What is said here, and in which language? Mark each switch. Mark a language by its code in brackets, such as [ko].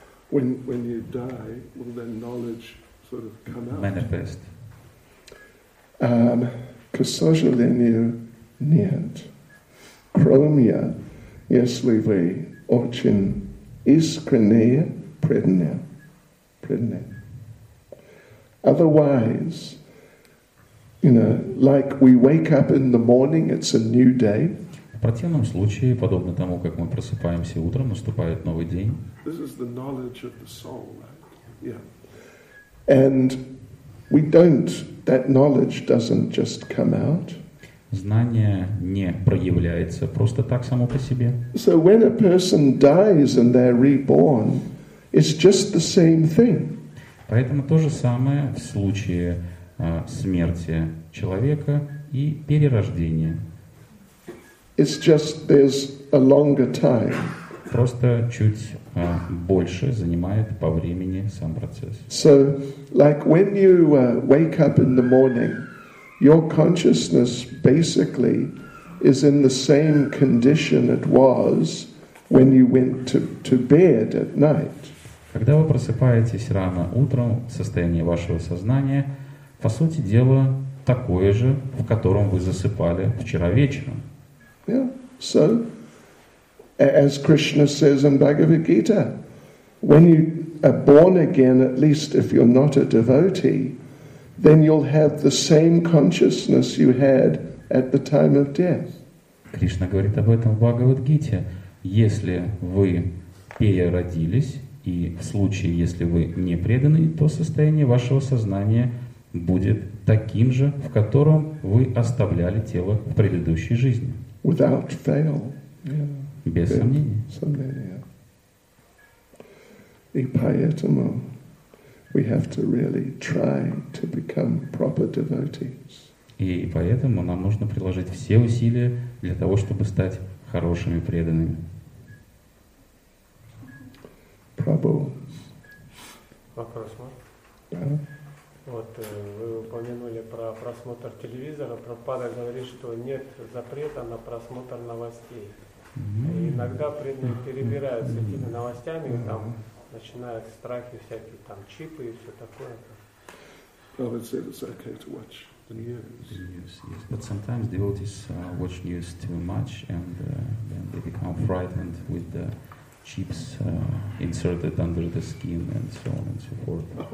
[en] When you die, will then knowledge manifest. [ru] К сожалению, нет. Кроме, если вы очень искренне преданы. [en] Otherwise, you know, like we wake up in the morning, it's a new day. [ru] В противном случае, подобно тому, как мы просыпаемся утром, наступает новый день. [en] This is the knowledge of the soul, right? Yeah. And we don't. That knowledge doesn't just come out. [ru] Знание не проявляется просто так само по себе. [en] So when a person dies and they're reborn, it's just the same thing. [ru] Поэтому то же самое в случае смерти человека и перерождения. [en] It's just there's a longer time. [ru] Просто чуть больше занимает по времени сам процесс. [en] So, like when you wake up in the morning, your consciousness basically is in the same condition it was when you went to bed at night. [ru] Когда вы просыпаетесь рано утром, состояние вашего сознания, по сути дела, такое же, в котором вы засыпали вчера вечером. [en] Yeah. So, as Krishna says in Bhagavad Gita, when you are born again, at least if you're not a devotee, then you'll have the same consciousness you had at the time of death. [ru] Кришна говорит об этом в Бхагавад-гите. Если вы переродились, и в случае, если вы не преданы, то состояние вашего сознания будет таким же, в котором вы оставляли тело в предыдущей жизни. [en] Without fail. [ru] Без сомнения. И поэтому [en] we have to really try to become proper devotees. [ru] И поэтому нам нужно приложить все усилия для того, чтобы стать хорошими преданными. Прабу. Вопрос, может? Да. Вот вы упомянули про просмотр телевизора. Прабхупада говорит, что нет запрета на просмотр новостей. И иногда преданные перебирают с этими новостями, и там начинают страхи всякие, там чипы и все такое. [en] Prabhupada said it's okay to watch. The news, yes. But sometimes devotees watch news too much, and then they become frightened with the chips inserted under the skin, and so on and so forth.